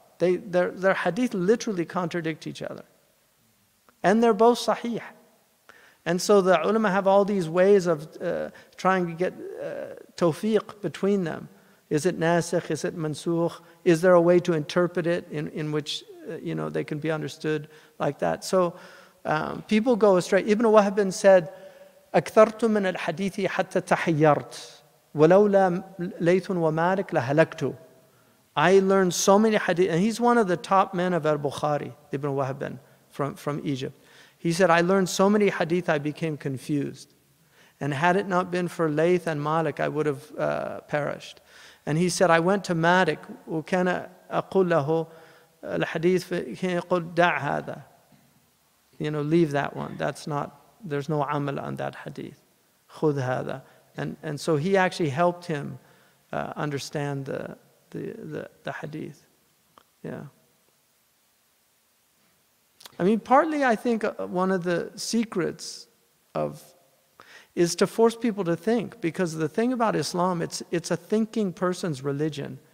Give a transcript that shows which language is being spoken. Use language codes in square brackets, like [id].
[en] Their hadith literally contradict each other. And they're both sahih. And so the ulama have all these ways of trying to get tawfiq between them. Is it nasikh? Is it mansukh? Is there a way to interpret it in which, you know, they can be understood like that? So people go astray. Ibn Wahb said, [ar] أَكْثَرْتُ مِنَ الْحَدِيثِ حَتَّى تَحَيَّرْتْ وَلَوْ لَا لَيْثٌ وَمَارِكْ لَهَلَكْتُ. [en] I learned so many hadith, and he's one of the top men of al-Bukhari, Ibn Wahb, from Egypt. He said, I learned so many hadith, I became confused. And had it not been for Layth and Malik, I would have perished. And he said, I went to Malik, [ar] وكان أقول له الحديث كان يقول دع هذا. [en] You know, leave that one. That's not, there's no amal on that hadith. [ar] خذ هذا. [en] And so he actually helped him understand the hadith. Yeah. I mean, partly I think one of the secrets of is to force people to think, because the thing about Islam, it's a thinking person's religion.